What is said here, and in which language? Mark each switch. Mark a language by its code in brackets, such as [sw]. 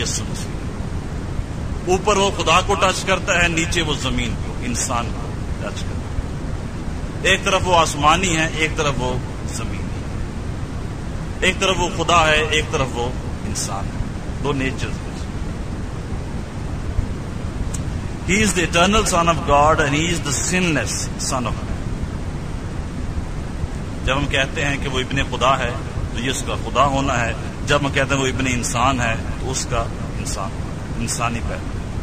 [ur] یسوع مسیح اوپر وہ خدا کو ٹچ کرتا ہے, نیچے وہ زمین کو, انسان کو ٹچ کرتا ہے. ایک طرف وہ آسمانی ہے, ایک طرف وہ زمینی ہے. ایک طرف وہ خدا ہے, ایک طرف وہ انسان ہے. دو nature. [en] He is the eternal son of God and he is the sunless sun of. [ur] جب ہم کہتے ہیں کہ وہ ابن خدا ہے تو یہ اس کا خدا ہونا ہے, جب ہم کہتے ہیں وہ ابن انسان ہے تو اس کا انسان ہونا, انسانی پہلو.